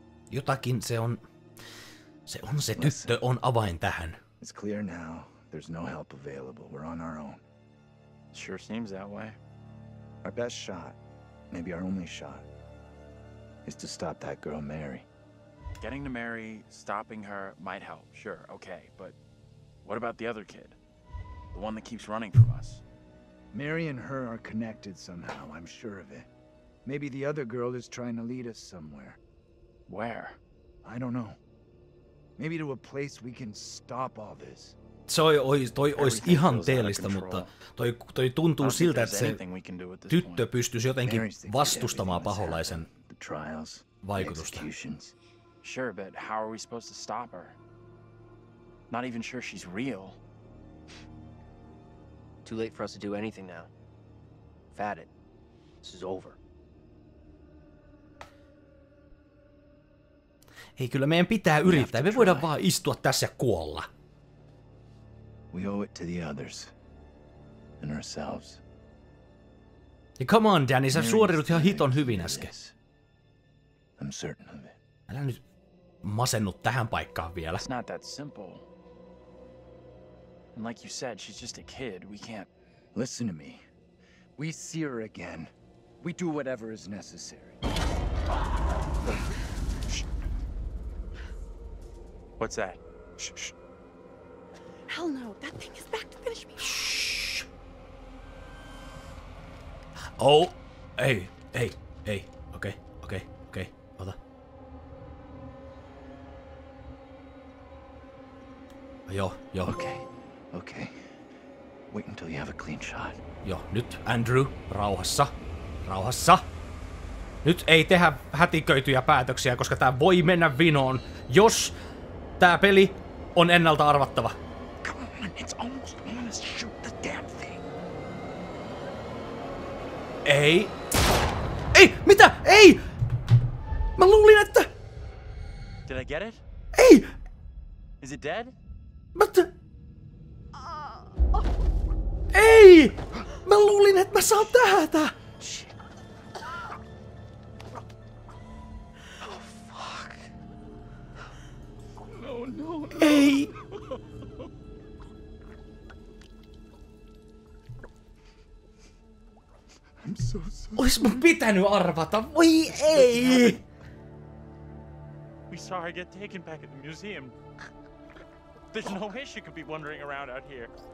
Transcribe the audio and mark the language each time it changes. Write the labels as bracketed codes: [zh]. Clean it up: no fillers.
[fi] Jotakin se on se tyttö on avain tähän. [en] It's clear now. There's no help available. We're on our own. Sure seems that way. Our best shot, maybe our only shot, is to stop that girl Mary. Getting to Mary, stopping her might help. Sure, okay, but what about the other kid? The one that keeps running from us. Mary and her are connected somehow. I'm sure of it. Maybe the other girl is trying to lead us somewhere. Where? I don't know. Maybe to a place we can stop all this. [fi] Toi olisi ihan teellistä, mutta toi tuntuu siltä, että se tyttö pystyisi jotenkin vastustamaan paholaisen vaikutusta. [en] Sure, but how are we supposed to stop her? Not even sure she's real. Too late for us to do anything now. Fat it. This is over. [fi] Hei, kyllä meidän pitää yrittää. Me voidaan vaan istua tässä ja kuolla. [en] We owe it to the others and ourselves. [fi] Ja [en] come on, [fi] Danny, sä suoriudut ihan hiton hyvin äsken. [en] I'm certain of it. [fi] Älä nyt masennu tähän paikkaan vielä. [en] It's not that simple. And like you said, she's just a kid. We can't... Listen to me. We see her again. We do whatever is necessary. What's that? Shh. Hell no, that thing is back to finish me. Shh. Oh, hey. Okay. [fi] Ota. Joo. [en] Okay. Wait until you have a clean shot. [fi] Joo, nyt Andrew, rauhassa. Rauhassa. Nyt ei tehdä hätiköityjä päätöksiä, koska tää voi mennä vinoon, jos... Tää peli on ennalta arvattava. [en] Come on, it's almost on. Shoot the damn thing. [fi] Ei. Ei, mitä? Ei! Mä luulin, että... [en] Did I get it? [fi] Ei! [en] Is it dead? [fi] Mutta... Ei! Mä luulin, että mä saan tähätä! Ei! [en] I'm so sorry. [fi] Olis mun pitänyt arvata, voi ei! [en] We saw her get taken back at the museum. There's no way she could be wandering around out here.